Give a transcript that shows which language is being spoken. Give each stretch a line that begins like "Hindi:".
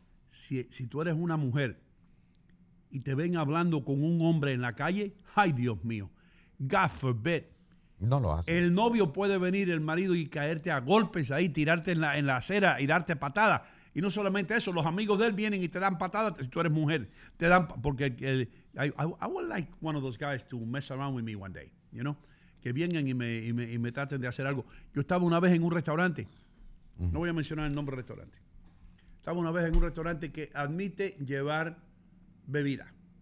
Spanish: Si tú eres una mujer y te ven hablando con un hombre en la calle, ¡ay, Dios mío!
English: God forbid.
Spanish: No lo hace. El novio puede venir, el marido, y caerte a golpes ahí, tirarte en la acera y darte patadas. Y no solamente eso, los amigos de él vienen y te dan patadas. Si tú eres mujer, te dan.
English: Porque I would like one of those guys to mess around with me one day, you know?
Spanish: Que vengan y me traten de hacer algo. Yo estaba una vez en un restaurante. Uh-huh. No voy a mencionar el nombre del restaurante. Estaba una vez en un restaurante que admite llevar bebida.